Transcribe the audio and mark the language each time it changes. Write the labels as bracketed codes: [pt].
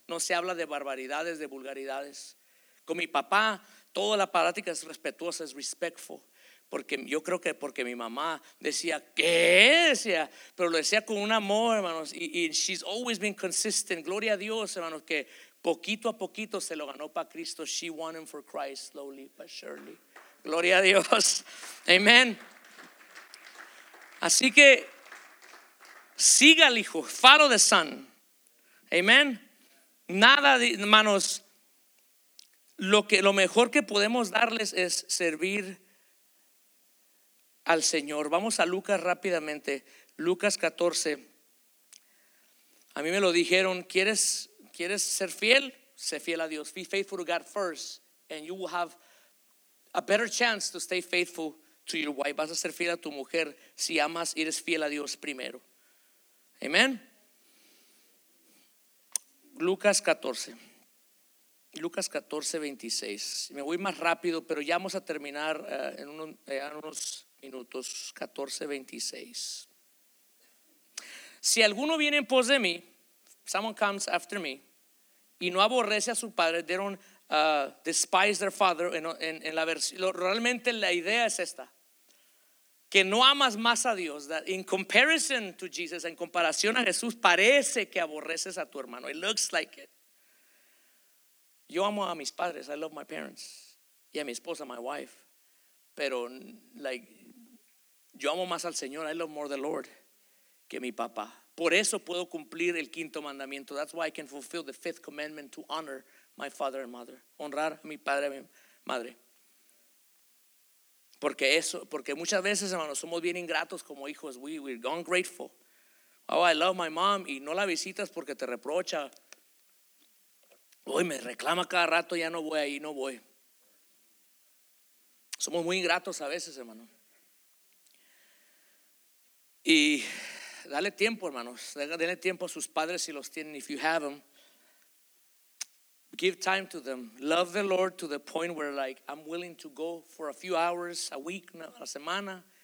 [es] No se habla de barbaridades, de vulgaridades. Con mi papá, toda la práctica es respetuosa, es [en] respectful. [es] Porque yo creo que porque mi mamá decía, ¿qué? Decía, pero lo decía con un amor, hermanos. Y [en] she's always been consistent. [es] Gloria a Dios, hermanos, que poquito a poquito se lo ganó para Cristo. [en] She won him for Christ, slowly but surely. [es] Gloria a Dios. Amen. Así que, siga el hijo, [en] follow the son. [es] Amen. Nada, hermanos. Lo mejor que podemos darles es servir al Señor. Vamos a Lucas rápidamente. Lucas 14. A mí me lo dijeron, ¿quieres ser fiel? Sé fiel a Dios. [en] Be faithful to God first and you will have a better chance to stay faithful to your wife. [es] Vas a ser fiel a tu mujer si amas y eres fiel a Dios primero. Amén. Lucas 14. Lucas 14, 26. Me voy más rápido, pero ya vamos a terminar en unos minutos. 14, 26. Si alguno viene en pos de mí, [en] someone comes after me, [es] y no aborrece a su padre, [en] they don't despise their father. [es] En la versión, realmente la idea es esta: que no amas más a Dios. [en] That in comparison to Jesus, [es] en comparación a Jesús, parece que aborreces a tu hermano. [en] It looks like it. [es] Yo amo a mis padres, [en] I love my parents, [es] y a mi esposa, [en] my wife, [es] pero like, yo amo más al Señor, [en] I love more the Lord, [es] que mi papá. Por eso puedo cumplir el quinto mandamiento. [en] That's why I can fulfill the fifth commandment, to honor my father and mother, [es] honrar a mi padre y a mi madre. Porque eso, porque muchas veces, hermanos, somos bien ingratos como hijos. [en] We're ungrateful. Oh, I love my mom, [es] y no la visitas porque te reprocha. Hoy me reclama cada rato, ya no voy ahí, no voy. Somos muy ingratos a veces, hermano. Y dale tiempo, hermanos. Dale tiempo a sus padres si los tienen. [en] If you have them, give time to them. Love the Lord to the point where like, I'm willing to go for a few hours a week, [es] a semana.